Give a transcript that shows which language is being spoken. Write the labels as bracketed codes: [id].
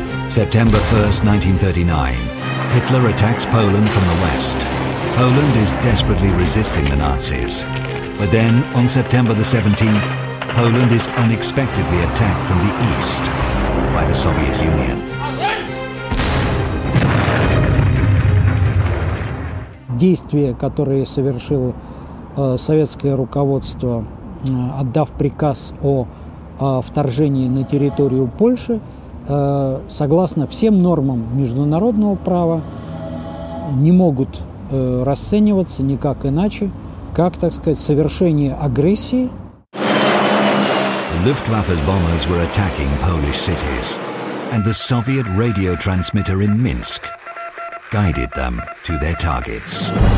[en] September 1st, 1939. Hitler attacks Poland from the west. Poland is desperately resisting the Nazis. But then, on September the 17th, Poland is unexpectedly attacked from the east by the Soviet Union. [ru] Действия, которые совершило советское руководство, отдав приказ о вторжении на территорию Польши, согласно всем нормам международного права, не могут расцениваться никак иначе, как, так сказать, совершение агрессии. [en] The Luftwaffe's bombers were attacking Polish cities, and the Soviet radio transmitter in Minsk guided them to their targets.